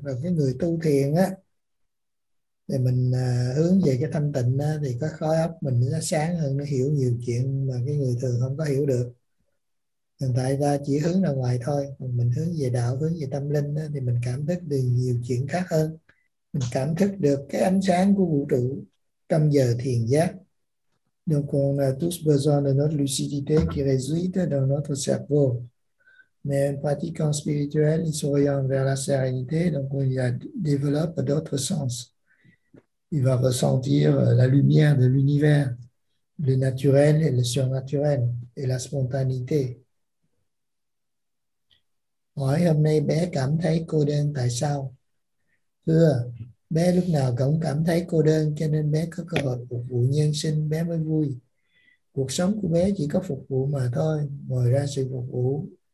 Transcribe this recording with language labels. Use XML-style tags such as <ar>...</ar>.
<vi>Rồi cái người tu thiền á, thì mình hướng về cái thanh tịnh á, thì có khói ốc mình nó sáng hơn, nó hiểu nhiều chuyện mà cái người thường không có hiểu được. Hiện tại ta chỉ hướng ra ngoài thôi, mình hướng về đạo, hướng về tâm linh á, thì mình cảm thức được nhiều chuyện khác hơn. Mình cảm thức được cái ánh sáng của vũ trụ trong giờ thiền giác.</vi> <fr>Donc on a tous besoin de notre lucidité qui réside dans notre cerveau. Mais en pratiquant spirituel, il s'oriente vers la sérénité, donc il y a, développe d'autres sens. Il va ressentir la lumière de l'univers, le naturel et le surnaturel, et la spontanéité.</fr> <vi>Hỏi hôm nay bé cảm thấy cô đơn tại sao? Thưa, bé lúc nào cũng cảm thấy cô đơn, cho nên bé có cơ hội phục vụ nhân sinh, bé mới vui. Cuộc sống của bé chỉ có phục vụ mà thôi, ngoài ra sự phục vụ.</vi>